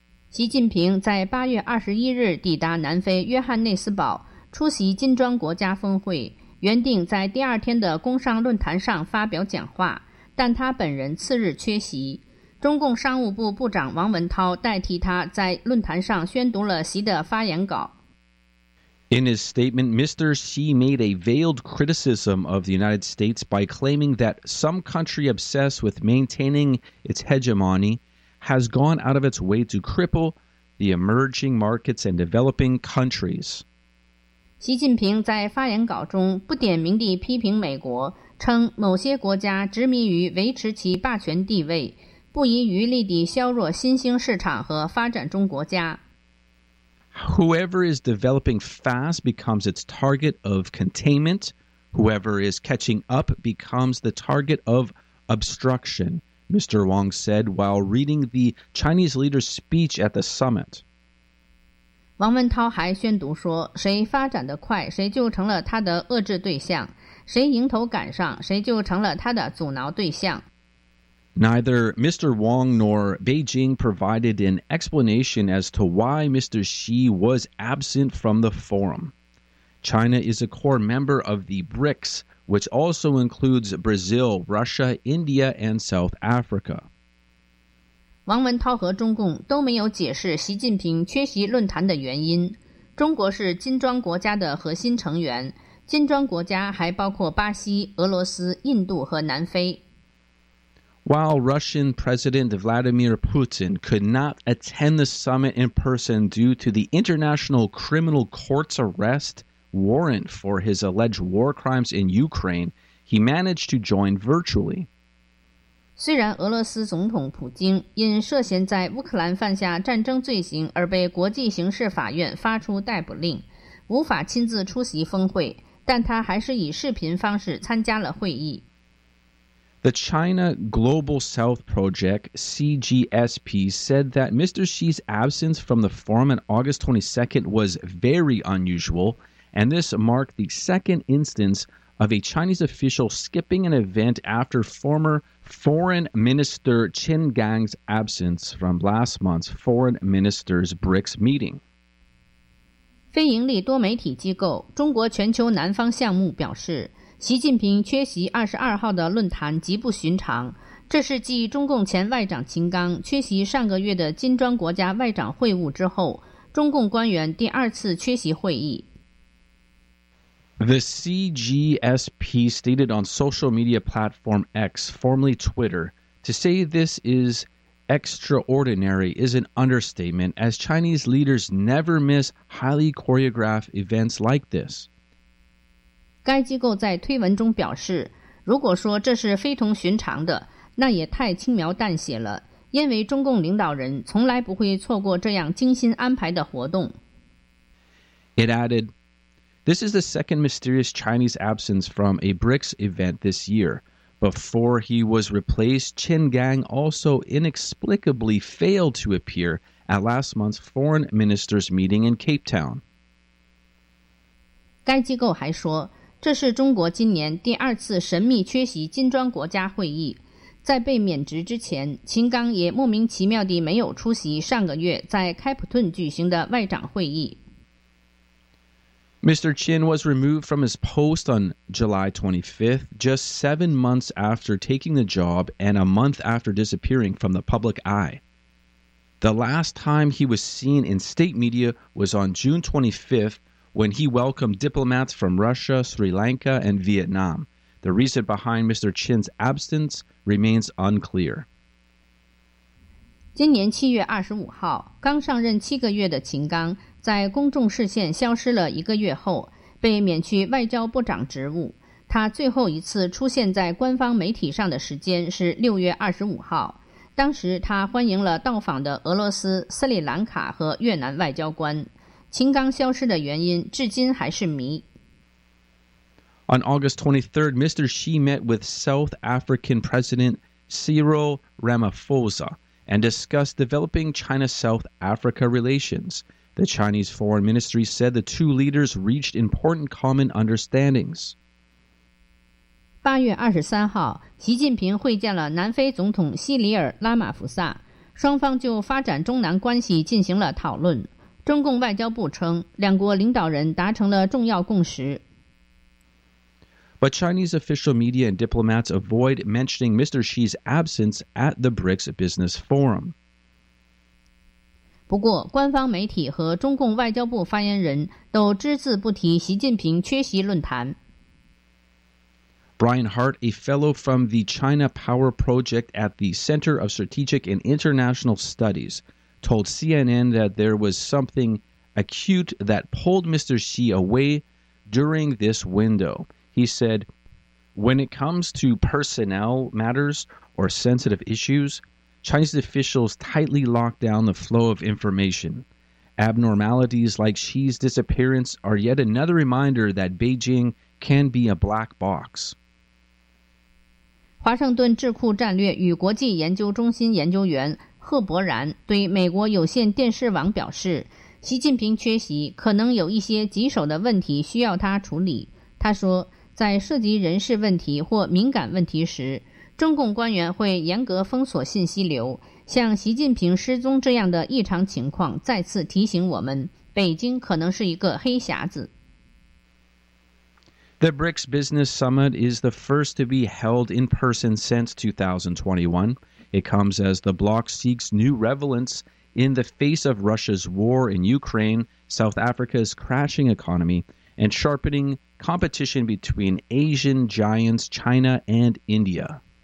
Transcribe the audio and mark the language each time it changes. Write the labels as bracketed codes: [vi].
[zh] 习近平在8月21日抵达南非约翰内斯堡，出席金砖国家峰会，原定在第二天的工商论坛上发表讲话，但他本人次日缺席。中共商务部部长王文涛代替他在论坛上宣读了习的发言稿。 [en] In his statement, Mr. Xi made a veiled criticism of the United States by claiming that some country obsessed with maintaining its hegemony has gone out of its way to cripple the emerging markets and developing countries. [zh] 习近平在发言稿中不点名地批评美国，称某些国家执迷于维持其霸权地位，不遗余力地削弱新兴市场和发展中国家。 [en] Whoever is developing fast becomes its target of containment. Whoever is catching up becomes the target of obstruction, Mr. Wang said while reading the Chinese leader's speech at the summit. [zh] 王文涛还宣读说，谁发展得快，谁就成了他的遏制对象，谁迎头赶上，谁就成了他的阻挠对象。 [en] Neither Mr. Wang nor Beijing provided an explanation as to why Mr. Xi was absent from the forum. China is a core member of the BRICS, which also includes Brazil, Russia, India, and South Africa. [zh] 王文涛和中共都没有解释习近平缺席论坛的原因。中国是金砖国家的核心成员，金砖国家还包括巴西、俄罗斯、印度和南非。 [en] While Russian President Vladimir Putin could not attend the summit in person due to the International Criminal Court's arrest warrant for his alleged war crimes in Ukraine, he managed to join virtually. [zh] 虽然俄罗斯总统普京因涉嫌在乌克兰犯下战争罪行而被国际刑事法院发出逮捕令，无法亲自出席峰会，但他还是以视频方式参加了会议。 [en] The China Global South Project, CGSP, said that Mr. Xi's absence from the forum on August 22nd was very unusual, and this marked the second instance of a Chinese official skipping an event after former Foreign Minister Qin Gang's absence from last month's Foreign Minister's BRICS meeting. [zh] 非盈利多媒体机构中国全球南方项目表示，习近平缺席22号的论坛极不寻常，这是继中共前外长秦刚缺席上个月的金砖国家外长会晤之后，中共官员第二次缺席会议。 [en] The CGSP stated on social media platform X, formerly Twitter, to say this is extraordinary is an understatement, as Chinese leaders never miss highly choreographed events like this. [zh] 该机构在推文中表示，如果说这是非同寻常的，那也太轻描淡写了，因为中共领导人从来不会错过这样精心安排的活动。 [en] It added, This is the second mysterious Chinese absence from a BRICS event this year. Before he was replaced, Chen Gang also inexplicably failed to appear at last month's foreign ministers' meeting in Cape Town. [zh] 该机构还说，这是中国今年第二次神秘缺席金砖国家会议。在被免职之前，秦刚也莫名其妙地没有出席上个月在开普敦举行的外长会议。 [en] Mr. Chin was removed from his post on July 25th, just 7 months after taking the job and a month after disappearing from the public eye. The last time he was seen in state media was on June 25th, when he welcomed diplomats from Russia, Sri Lanka, and Vietnam. The reason behind Mr. Chin's absence remains unclear. [zh] 今年7月25号，刚上任7个月的秦刚在公众视线消失了一个月后，被免去外交部长职务。他最后一次出现在官方媒体上的时间是6月25号。当时他欢迎了到访的俄罗斯、斯里兰卡和越南外交官。秦刚消失的原因至今还是谜。 [en] On August 23rd, Mr. Xi met with South African President Cyril Ramaphosa and discussed developing China-South Africa relations. The Chinese Foreign Ministry said the two leaders reached important common understandings. [zh] 8月23号，习近平会见了南非总统西里尔·拉马福萨，双方就发展中南关系进行了讨论。中共外交部称，两国领导人达成了重要共识。 [en] But Chinese official media and diplomats avoid mentioning Mr. Xi's absence at the BRICS Business Forum. [zh] 不过，官方媒体和中共外交部发言人都只字不提习近平缺席论坛。 [en] Brian Hart, a fellow from the China Power Project at the Center of Strategic and International Studies, told CNN that there was something acute that pulled Mr. Xi away during this window. He said, when it comes to personnel matters or sensitive issues, Chinese officials tightly lock down the flow of information. Abnormalities like Xi's disappearance are yet another reminder that Beijing can be a black box. [zh] 华盛顿智库战略与国际研究中心研究员贺伯然对美国有线电视网表示，习近平缺席可能有一些棘手的问题需要他处理。他说，在涉及人事问题或敏感问题时，中共官员会严格封锁信息流。像习近平失踪这样的异常情况再次提醒我们，北京可能是一个黑匣子。 [en] The BRICS Business Summit is the first to be held in person since 2021. It comes as the bloc seeks new relevance in the face of Russia's war in Ukraine, South Africa's crashing economy, and sharpening competition between Asian giants China and India.